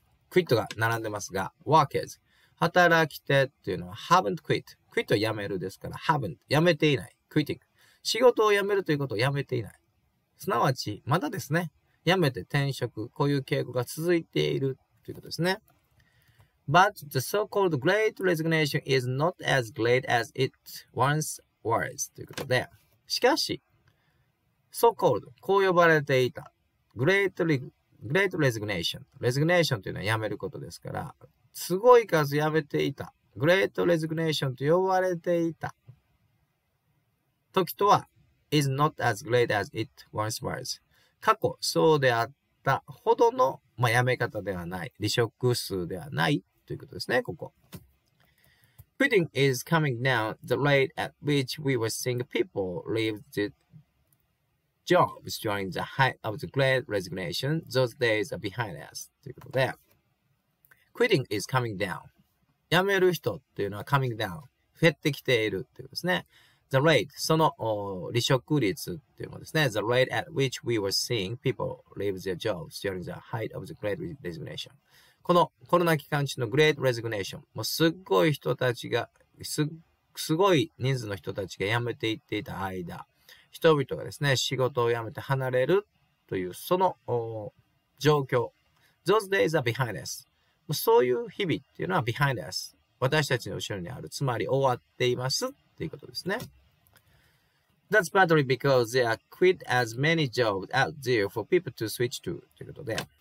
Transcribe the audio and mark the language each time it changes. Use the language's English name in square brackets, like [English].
[Japanese] quit が並んでますが、 [English] workers. [Japanese] 働き手っていうのは [English] haven't quit. [Japanese] quit は辞めるですから、 [English] haven't. [Japanese] 辞めていない。 [English] quitting. [Japanese] 仕事を辞めるということを辞めていない。すなわち、まだですね。辞めて転職。こういう傾向が続いているということですね。 [English] But the so-called great resignation is not as great as it once was. [Japanese] ということで、しかし、 [English] so-called. [Japanese] こう呼ばれていた。 [English] Great resignation. [Japanese] Resignation というのは辞めることですから、すごい数辞めていた。 [English] Great resignation [Japanese] と呼ばれていた時とは、 [English] is not as great as it once was. [Japanese] 過去、そうであったほどの、まあ、辞め方ではない。離職数ではないということですね、ここ。 [English] Quitting is coming down the rate at which we were seeing people leave the jobs during the height of the Great Resignation. Those days are behind us. [Japanese] ということで、 [English] Quitting is coming down. [Japanese] 辞める人っていうのは [English] coming down。 [Japanese] 減ってきているっていうことですね。 [English] The rate, [Japanese] その離職率っていうのですね。 [English] The rate at which we were seeing people leave their jobs during the height of the Great Resignation。 [Japanese] このコロナ期間中の Great Resignation、もうすっごい人たちが、すごい人数の人たちが辞めていっていた間、人々がですね、仕事を辞めて離れるという、その状況。 [English] Those days are behind us。 [Japanese] もうそういう日々っていうのは [English] behind us。 [Japanese] 私たちの後ろにある、つまり終わっていますっていうことですね。 [English] That's partly because there are quite as many jobs out there for people to switch to [Japanese] ということで。